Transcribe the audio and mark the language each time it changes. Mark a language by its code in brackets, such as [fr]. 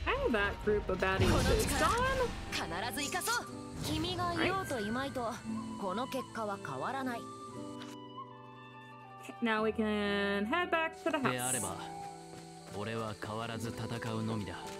[en] That group of baddies is gone. [ja] 必ず行かそう。君がいようといまいと、この結果は変わらない。 [en] Now we can head back to the house. [ja] であれば、俺は変わらず戦うのみだ。